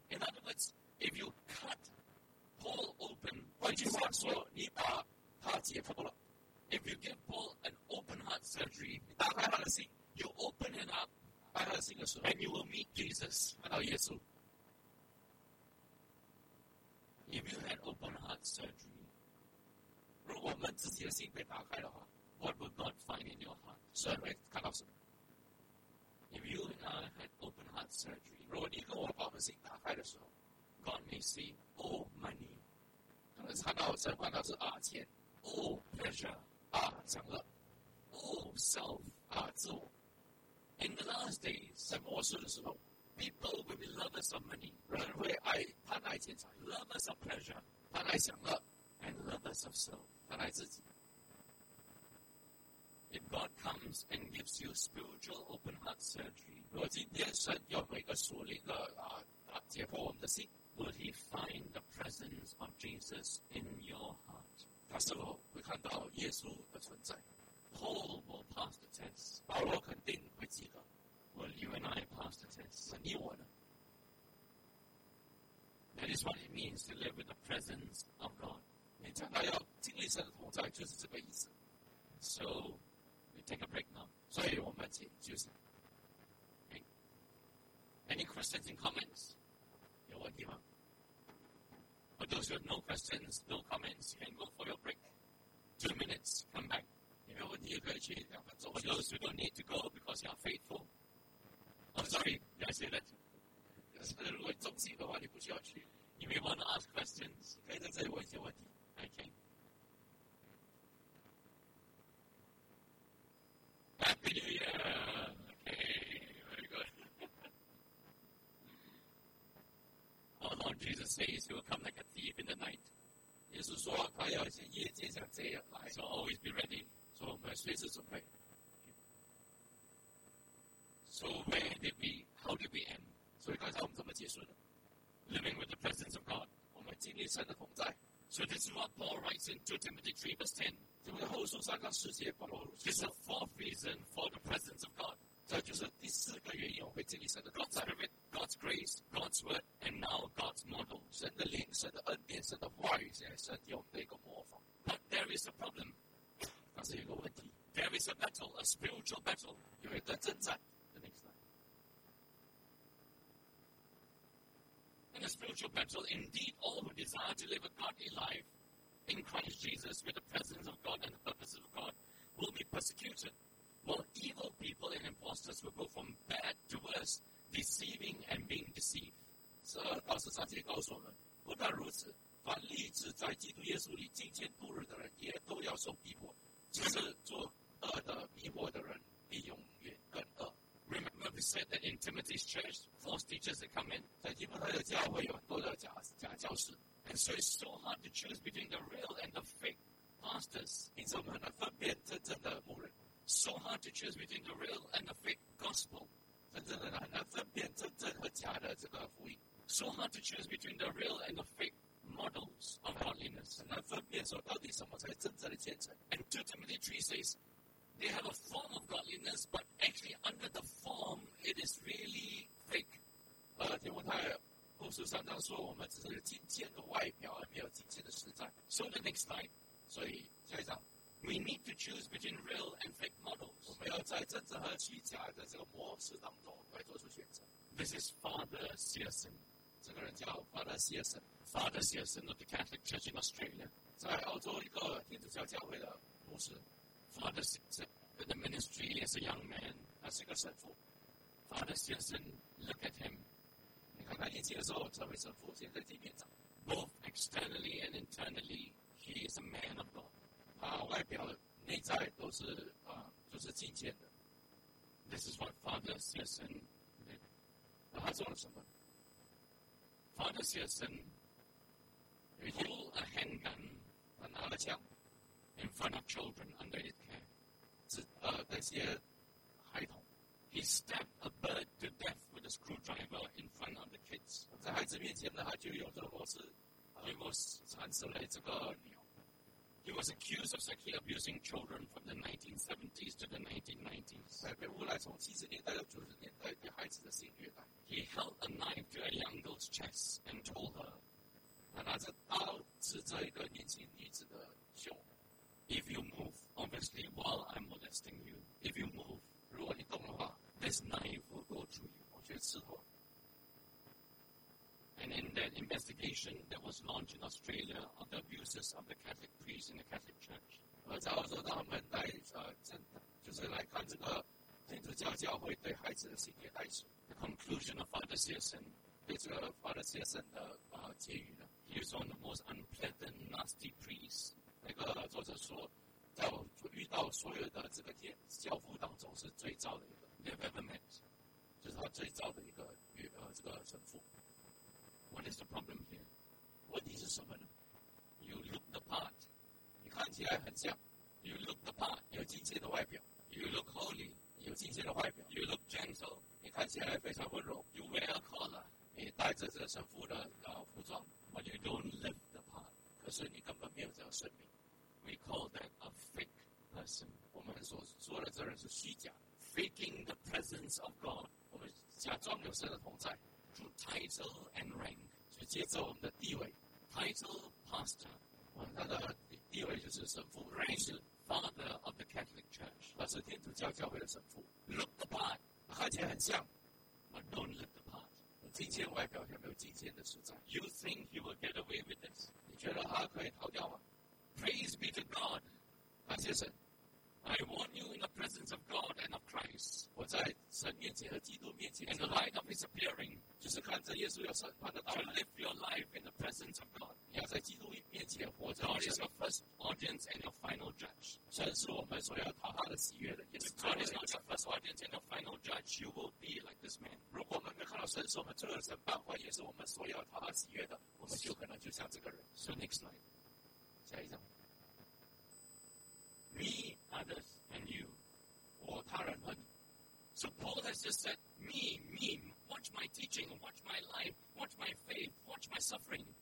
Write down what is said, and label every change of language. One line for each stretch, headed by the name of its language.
English: In other words, if you cut Paul open,
Chinese: 换句话说，你把他解剖了。
English: If you give Paul an open heart surgery,
Chinese: 你打开他的心
English: ，you open it up.
Chinese: 打开他的心的时候
English: ，and you will meet Jesus.
Chinese: 看到耶稣。
English: If you had open heart surgery,
Chinese: 如果我们自己的心被打开的话
English: ，what would God find in your heart?
Chinese: 所以看到什么
English: ？If you and I had open heart surgery,
Chinese: 如果你跟我把我们心打开的时候
English: ，God may see all money.
Chinese: 可能看到神看到是啊钱
English: ，all pleasure
Chinese: 啊享乐
English: ，all self
Chinese: 啊自我。
English: In the last days,
Chinese: 在末世的时候。
English: People will be lovers of money.
Chinese: 人会爱贪爱钱财
English: Lovers of pleasure.
Chinese: 贪爱享乐
English: And lovers of soul.
Chinese: 贪爱自己
English: If God comes and gives you spiritual open heart surgery,
Chinese: 如果今天神要每个属灵的解剖我们的心
English: Will he find the presence of Jesus in your heart?
Chinese: 他是否会看到耶稣的存在
English: Paul will pass the test.
Chinese: 保罗肯定会及格
English: Will you and I pass the test?
Chinese: 你我呢
English: That is what it means to live with the presence of God.
Chinese: 你讲到要经历神的同在，就是这个意思。
English: So, we take a break now.
Chinese: 所以我们请休息。
English: Any questions and comments?
Chinese: 有问题吗
English: For those who have no questions, no comments, you can go for your break. 2 minutes, come back.
Chinese: 你有问题可以去两分钟。
English: For those who don't need to go because you are faithful,You may want to ask questions. Okay. Happy New Year! Okay, very good. Our Lord Jesus says he will come like a thief in the night.
Chinese: 耶稣说他要像夜间像贼人来。
English: So always be ready.
Chinese: 所以我们随时准备。
English: So where did we? How did we end?
Chinese: 所以刚才我们怎么结束的
English: Living with the presence of God.
Chinese: 我们经历神的同在
English: So this is what Paul writes in 2 Timothy 3 verse 10.
Chinese: 这个后书三章十节保罗如
English: 此 It's the fourth reason for the presence of God.
Chinese: 这就是第四个原因我会经历神的同在
English: God's Spirit, God's grace, God's word, and now God's model.
Chinese: 神的灵、神的恩典、神的话语现在神给我们的一个模仿
English: But there is a problem.
Chinese: 但是有个问题
English: There is a battle, a spiritual battle.
Chinese: 有一个征战
English: In a spiritual battle, indeed, all who desire to live a godly life in Christ Jesus with the presence of God and the purposes of God will be persecuted, while evil people and imposters will go from bad to worse, deceiving and being deceived.
Chinese: 十二到十三节告诉我们，不但如此，凡立志在基督耶稣里敬虔度日的人也都要受逼迫，就是做恶的逼迫的人必永远更恶。
English: Remember we said that in Timothy's church, false teachers had come in.
Chinese: 在提摩太的教会有很多的假教师。
English: And so it's so hard to choose between the real and the fake pastors.
Chinese: 因此我们很难分辨真正的牧人。
English: So hard to choose between the real and the fake gospel.
Chinese: 真正的很难分辨真正和假的这个福音。
English: So hard to choose between the real and the fake models of godliness.
Chinese: 很难分辨说到底什么才是真正的见证。
English: And 2 Timothy 3 says,They have a form of godliness, but actually under the form, it is really fake.
Chinese: 提摩太后书三章说我们只是金钱的外表而没有金钱的实在。
English: So the next time,
Chinese: 所以下一章
English: we need to choose between real and fake models.
Chinese: 我们要在真正和虚假的这个模式当中来做出选择。
English: This is Father Searson.
Chinese: 这个人叫 Father Searson.
English: Father Searson of the Catholic Church in Australia.
Chinese: 在澳洲一个天主教教会的牧师。
English: Father Searson, the ministry as a young man, as a son. Father Searson, look at him.
Chinese: 你看他年轻的时候成为神父，现在在地面上。
English: Both externally and internally, he is a man of God.
Chinese: 他外表内在都是就是敬虔的。
English: This is what Father Searson did.
Chinese: 那他做了什么
English: ？Father Searson pulled a handgun.
Chinese: 他拿了枪。
English: In front of children under his care,
Chinese: 那些孩童
English: he stabbed a bird to death with a screwdriver in front of the kids.
Chinese: 在孩子面前呢，他就用这个螺丝
English: ，he was
Chinese: 缠死了这个鸟。
English: He was accused of sexually abusing children from the 1970s to the 1990s.
Chinese: 他被诬赖从七十年代到九十年代对孩子的性虐待。
English: He held a knife to a young girl's chest and told her.
Chinese: 他拿着刀指着一个年轻女子的胸。
English: If you move, obviously, while I'm molesting you, if you move,
Chinese: 如果你动的话
English: this knife will go through you.
Chinese: 我觉得刺痛。
English: And in that investigation that was launched in Australia on the abuses of the Catholic priest in the Catholic Church,
Chinese: 在澳洲他们带就是来看这个天主教教会对孩子的性虐待时
English: the conclusion of Father Searson,
Chinese: 对这个 Father Searson 的结语呢
English: he was one of the most unpleasant, nasty priests.
Chinese: 那个作者说，在我遇到所有的这个天教父当中是最糟的一个
English: ，Never ever met，
Chinese: 就是他最糟的一个这个神父。
English: What is the problem here？
Chinese: 问题是什么呢
English: ？You look the part，
Chinese: 你看起来很像。
English: You look the part，
Chinese: 有敬虔的外表。
English: You look holy，
Chinese: 有敬虔的外表。
English: You look gentle，
Chinese: 你看起来非常温柔。
English: You wear a collar，
Chinese: 你戴着这个神父的服装。
English: But you don't live the part，
Chinese: 可是你根本没有这个生命。
English: We call that a fake person.
Chinese: 我们所说的这人是虚假
English: faking the presence of God.
Chinese: 我们假装有神的同在
English: through title and rank.
Chinese: 就借着我们的地位
English: title pastor.
Chinese: 他的地位就是神父
English: rank 是 father of the Catholic Church.
Chinese: 他是天主教教会的神父
English: look the part.
Chinese: 看起来很像
English: but don't look the part.
Chinese: 敬虔外表有没有敬虔的实在
English: you think he will get away with this.
Chinese: 你觉得他可以逃掉吗？
English: Praise be to God.
Chinese: 感谢神。
English: I warn you in the presence of God and of Christ.
Chinese: 我在神面前和基督面前。
English: In the light of His appearing,
Chinese: 就是看着耶稣要审判的到
English: 来。To live your life in the presence of God.
Chinese: 你要在基督面前活着。
English: God is your first audience and your final judge.
Chinese: 神是我们所要讨他的喜悦的。
English: If God is not your first audience and your final judge, you will be like this man.
Chinese: 如果我们没看到神是我们最后的审判官，也是我们所要讨他喜悦的，我们就可能就像这个人。
English: So next slide.
Chinese: 下一张
English: Me, others, and you.
Chinese: 我他人和你
English: So Paul has just said, me, watch my teaching, watch my life, watch my faith, watch my suffering.